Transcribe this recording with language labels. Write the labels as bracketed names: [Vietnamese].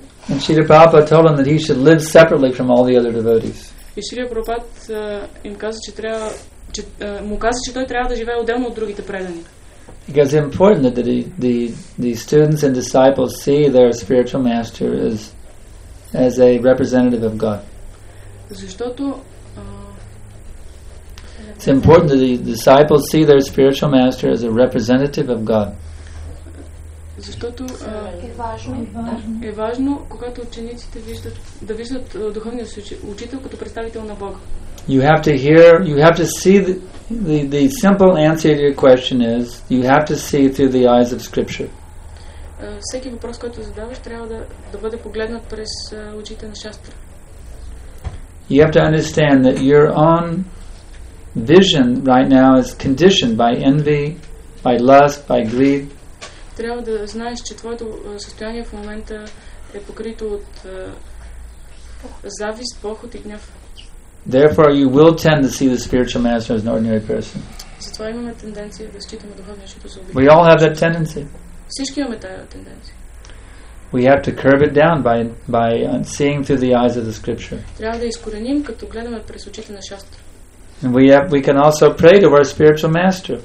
[English] And Srila Prabhupada told him that he should live separately from all the other devotees. [Bulgarian] И Шрила Прабхупад им каза, че трябва, че, му каза, че той трябва да живее отделно от другите предани. [English] Because it's important that the students and disciples see their spiritual master as a representative of God. [Bulgarian] Защото [English] it's important that the disciples see their spiritual master as a representative of God. [Bulgarian] Защото е важно. Е важно, когато учениците виждат, да виждат духовния учител като представител на Бога. [English] You have to hear, you have to see the simple answer to your question is you have to see through the eyes of Scripture. [Bulgarian] Всеки въпрос, който задаваш, трябва да бъде погледнат през очите на Шастра. [English] You have to understand that your own vision right now is conditioned by envy, by lust, by greed. [Bulgarian] Трябва да знаеш, че твоето състояние в момента е покрито от завист, похот и гняв. [English] Therefore, you will tend to see the spiritual master as an ordinary person. [Bulgarian] Затова имаме тенденция да считаме духовния учител за обикновен. [English] We all have that tendency. [Bulgarian] Всички имаме тази тенденция. [English] We have to curb it down by seeing through the eyes of the scripture. [Bulgarian] Трябва да изкореним, като гледаме през очите на Шастра. [English] And we can also pray to our spiritual master.